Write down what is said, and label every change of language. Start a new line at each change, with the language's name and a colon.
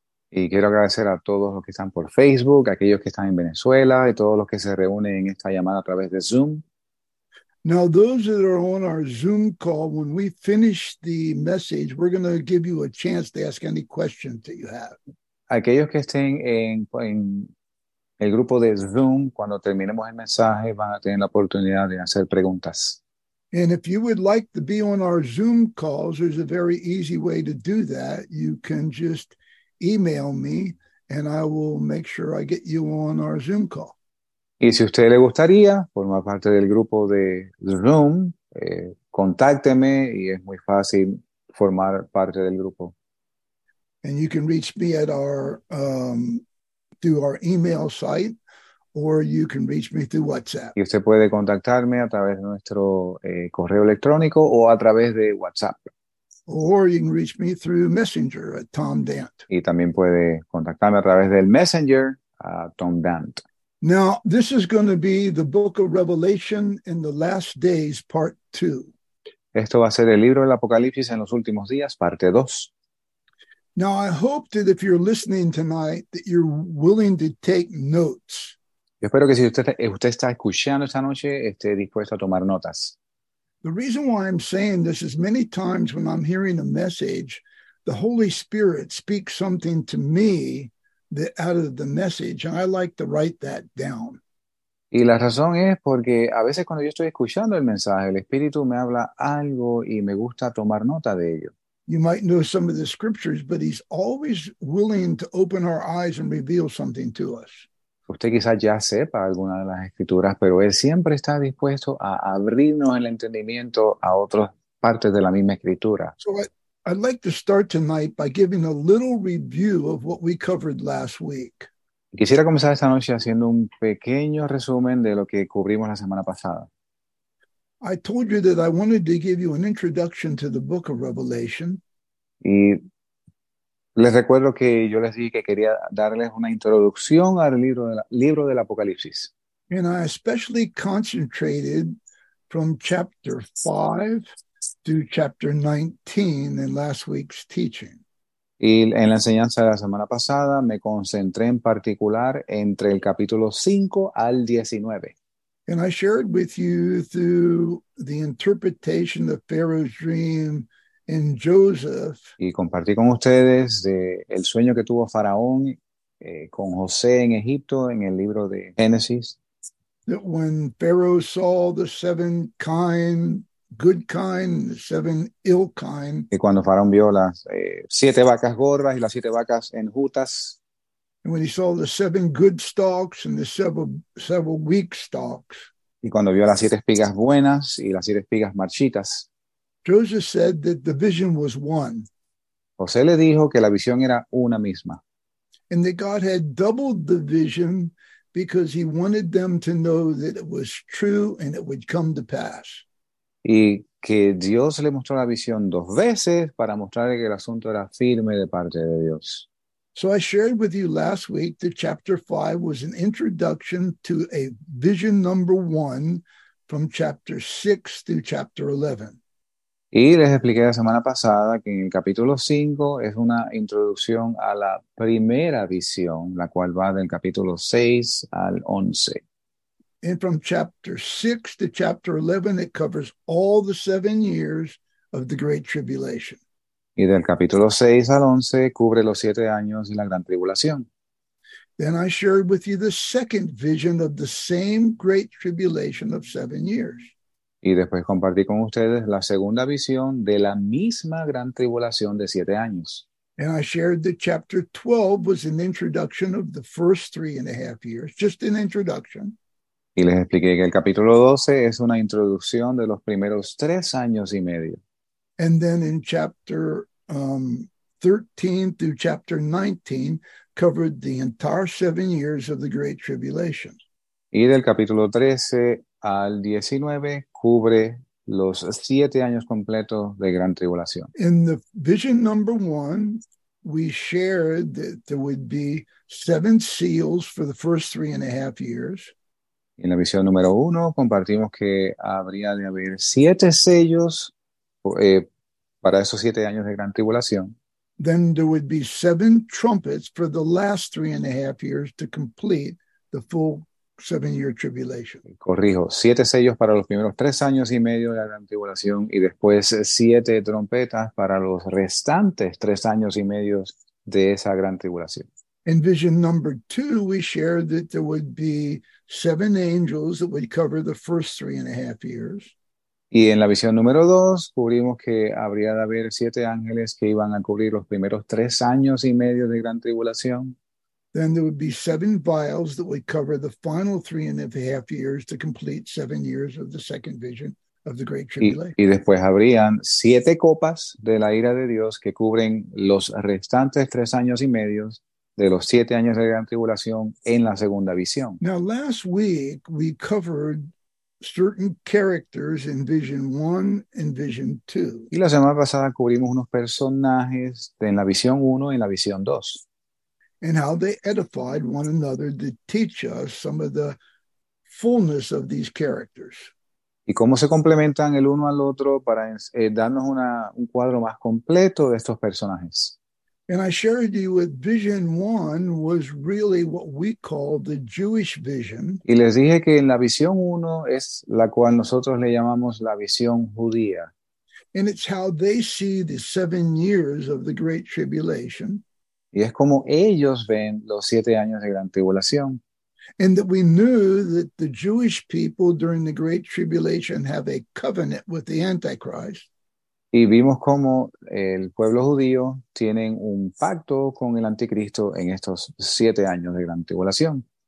Spanish: Y quiero agradecer a todos los que están por Facebook, aquellos que están en Venezuela y todos los que se reúnen en esta llamada a través de Zoom.
English: Now, those that are on our Zoom call, when we finish the message, we're going to give you a chance to ask any questions that you have.
Spanish: Aquellos que estén en el grupo de Zoom, cuando terminemos el mensaje, van a tener la oportunidad de hacer preguntas.
English: And if you would like to be on our Zoom calls, there's a very easy way to do that. You can just email me and I will make sure I get you on our Zoom call.
Spanish: Y si a usted le gustaría formar parte del grupo de Zoom, contácteme y es muy fácil formar parte del grupo.
English: And you can reach me at our through our email site, or you can reach me through WhatsApp.
Spanish: Y usted puede contactarme a través de nuestro correo electrónico o a través de WhatsApp.
English: Or you can reach me through Messenger at Tom Dant.
Spanish: Y también puede contactarme a través del Messenger a Tom Dant.
English: Now, this is going to be the book of Revelation in the last days, part 2.
Spanish: Esto va a ser el libro del Apocalipsis en los últimos días, parte 2.
English: Now, I hope that if you're listening tonight, that you're willing to take notes.
Spanish: Yo espero que si usted está escuchando esta noche, esté dispuesto a tomar notas.
English: The reason why I'm saying this is many times when I'm hearing a message, the Holy Spirit speaks something to me that out of the message, and I like to write that down.
Spanish: Y la razón es porque a veces cuando yo estoy escuchando el mensaje, el Espíritu me habla algo y me gusta tomar nota de ello.
English: You might know some of the scriptures, but he's always willing to open our eyes and reveal something to us.
Spanish: Usted quizás ya sepa alguna de las escrituras, pero él siempre está dispuesto a abrirnos el entendimiento a otras partes de la misma escritura.
English: So I'd like to start tonight by giving a little review of what we covered last week.
Spanish: Quisiera comenzar esta noche haciendo un pequeño resumen de lo que cubrimos la semana pasada.
English: I told you that I wanted to give you an introduction to the book of Revelation.
Spanish: Y les recuerdo que yo les dije que quería darles una introducción al libro del Apocalipsis.
English: And I especially concentrated from chapter 5 to chapter 19 in last week's teaching.
Spanish: Y en la enseñanza de la semana pasada me concentré en particular entre el capítulo 5 al 19.
English: And I shared with you through the interpretation of Pharaoh's dream in Joseph.
Spanish: Y compartí con ustedes de el sueño que tuvo Faraón con José en Egipto en el libro de Génesis.
English: That when Pharaoh saw the seven kind, good kind, the seven ill kind.
Spanish: Y cuando Faraón vio las siete vacas gordas y las siete vacas enjutas.
English: And when he saw the seven good stalks and the several weak stalks.
Spanish: Y cuando vio las siete espigas buenas y las siete espigas marchitas.
English: Joseph said that the vision was one.
Spanish: José le dijo que la visión era una misma.
English: And that God had doubled the vision because he wanted them to know that it was true and it would come to pass.
Spanish: Y que Dios le mostró la visión dos veces para mostrarle que el asunto era firme de parte de Dios.
English: So I shared with you last week that chapter 5 was an introduction to a vision number 1 from chapter 6 to chapter 11.
Spanish: Y les expliqué la semana pasada que en el capítulo 5 es una introducción a la primera visión, la cual va del capítulo 6 al 11.
English: And from chapter 6 to chapter 11, it covers all the 7 years of the Great Tribulation.
Spanish: Y del capítulo 6 al 11 cubre los 7 años de la Gran Tribulación.
English: Then I shared with you the second vision of the same Great Tribulation of 7 years.
Spanish: Y después compartí con ustedes la segunda visión de la misma Gran Tribulación de 7 años.
English: And I shared that chapter 12 was an introduction of the first 3.5 years, just an introduction.
Spanish: Y les expliqué que el capítulo 12 es una introducción de los primeros 3 años y medio.
English: And then in chapter 13 through chapter 19 covered the entire 7 years of the Great Tribulation.
Spanish: Y del capítulo 13 al 19 cubre los 7 años completos de Gran Tribulación.
English: In the vision number 1, we shared that there would be 7 seals for the first 3.5 years.
Spanish: En la visión número 1 compartimos que habría de haber 7 sellos para esos 7 años de Gran Tribulación.
English: Then there would be 7 trumpets for the last 3.5 years to complete the full 7-year tribulation.
Spanish: Corrijo, 7 sellos para los primeros 3 años y medio de la Gran Tribulación y después 7 trompetas para los restantes 3 años y medios de esa Gran Tribulación.
English: In vision number 2, we shared that there would be 7 angels that would cover the first 3.5 years.
Spanish: Y en la visión número 2, cubrimos que habría de haber 7 ángeles que iban a cubrir los primeros 3 años y medio de Gran Tribulación.
English: Then there would be 7 vials that would cover the final 3.5 years to complete 7 years of the second vision of the great tribulation.
Spanish: Y después habrían siete copas de la ira de Dios que cubren los restantes tres años y medio de los siete años de gran tribulación en la segunda visión.
English: Now, last week we covered certain characters in Vision 1 and Vision 2.
Spanish: Y la semana pasada cubrimos unos personajes en la visión 1 y en la visión 2.
English: And how they edified one another to teach us some of the fullness of these characters.
Spanish: Y cómo se complementan el uno al otro para darnos un cuadro más completo de estos personajes.
English: And I shared you with Vision 1 was really what we call the Jewish vision.
Spanish: Y les dije que en la visión 1 es la cual nosotros le llamamos la visión judía.
English: And it's how they see the 7 years of the great tribulation.
Spanish: Y es como ellos ven los 7 años de gran tribulación.
English: And that we knew that the Jewish people during the great tribulation have a covenant with the Antichrist.
Spanish: Y vimos cómo el pueblo judío tienen un pacto con el anticristo en estos 7 años de gran tribulación.